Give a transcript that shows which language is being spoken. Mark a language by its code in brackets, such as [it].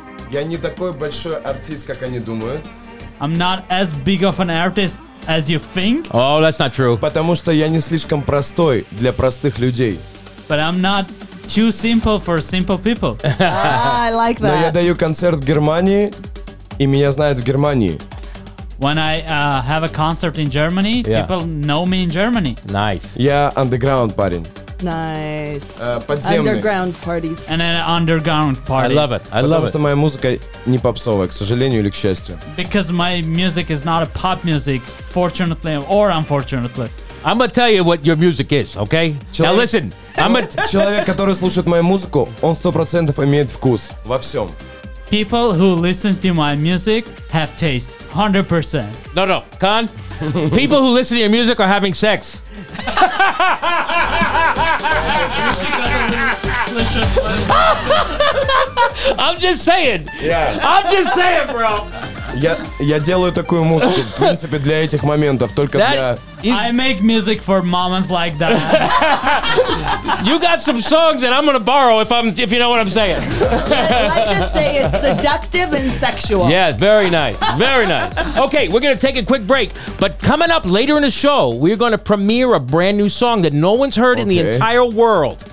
[ru] Я не такой большой артист, как они думают. [en] I'm not as big of an artist as you think. Oh, that's not true. [ru] Потому что я не слишком простой для простых людей. [en] But I'm not too simple for simple people. I like that. [ru] Но я даю концерт в Германии, и меня знают в Германии. [en] When I have a concert in Germany, people know me in Germany. Nice. [ru] Я underground парень. [en] Nice. [ru] Подземный. [en] Underground parties. And then underground parties. I love it. [ru] Потому что моя музыка не попсовая, к сожалению или к счастью. [en] Because my music is not a pop music, fortunately or unfortunately. I'm gonna tell you what your music is, okay? Now listen. [ru] Человек, который слушает мою музыку, он 100% имеет вкус во всем. [en] People who listen to my music have taste, 100%. No, Khan. People who listen to your music are having sex. I'm just saying. Yeah. I'm just saying, bro. [ru] Я делаю такую музыку, в принципе, для этих моментов, только для... [en] I make music for moments like that. You got some songs that I'm gonna borrow, if you know what I'm saying. Let's just say it's seductive and sexual. Yeah, very nice, very nice. Okay, we're gonna take a quick break, but coming up later in the show, we're gonna premiere a brand new song that no one's heard in the entire world.